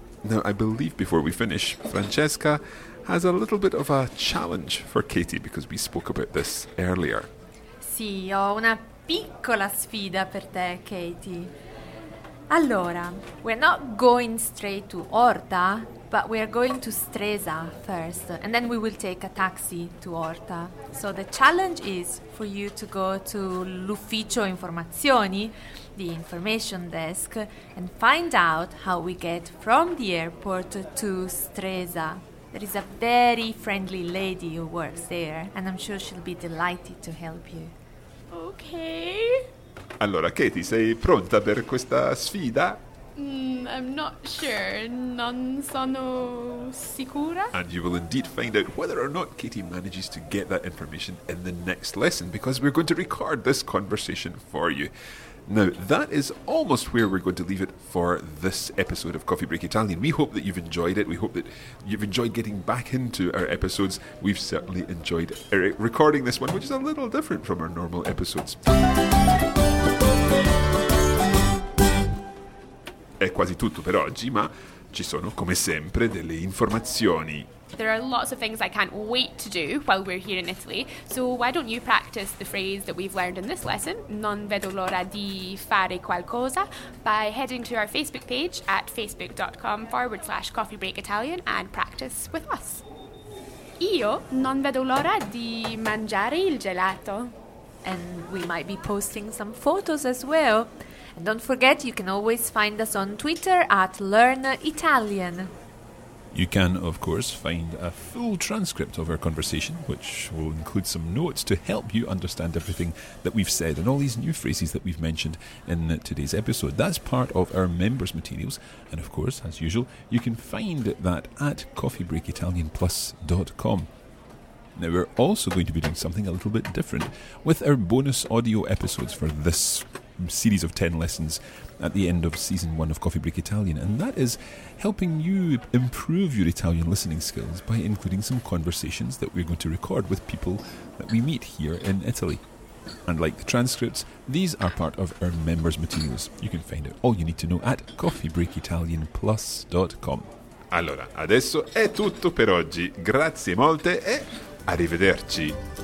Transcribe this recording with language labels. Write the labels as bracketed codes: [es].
[en] Now, I believe before we finish, Francesca has a little bit of a challenge for Katie because we spoke about this earlier. [it] Sì, ho una piccola sfida per te, Katie. [en] Allora, we're not going straight to Orta, but we're going to Stresa first, and then we will take a taxi to Orta. So the challenge is for you to go to [it] l'ufficio informazioni, [en] the information desk, and find out how we get from the airport to Stresa. There is a very friendly lady who works there, and I'm sure she'll be delighted to help you. Okay. [it] Allora, Katie, sei pronta per questa sfida? [en] I'm not sure. [it] Non sono sicura. [en] And you will indeed find out whether or not Katie manages to get that information in the next lesson, because we're going to record this conversation for you. Now, that is almost where we're going to leave it for this episode of Coffee Break Italian. We hope that you've enjoyed it. We hope that you've enjoyed getting back into our episodes. We've certainly enjoyed recording this one, which is a little different from our normal episodes. [it] È quasi tutto per oggi, ma ci sono, come sempre, delle informazioni. [en] There are lots of things I can't wait to do while we're here in Italy. So why don't you practice the phrase that we've learned in this lesson, [it] non vedo l'ora di fare qualcosa, [en] by heading to our Facebook page at facebook.com/coffeebreakitalian and practice with us. [it] Io non vedo l'ora di mangiare il gelato. [en] And we might be posting some photos as well. And don't forget, you can always find us on Twitter at learnitalian. You can, of course, find a full transcript of our conversation, which will include some notes to help you understand everything that we've said and all these new phrases that we've mentioned in today's episode. That's part of our members' materials. And of course, as usual, you can find that at coffeebreakitalianplus.com. Now, we're also going to be doing something a little bit different with our bonus audio episodes for this series of 10 lessons at the end of season 1 of Coffee Break Italian, and that is helping you improve your Italian listening skills by including some conversations that we're going to record with people that we meet here in Italy. And like the transcripts, these are part of our members' materials. You can find out all you need to know at coffeebreakitalianplus.com. [it] Allora, adesso è tutto per oggi. Grazie molte e arrivederci.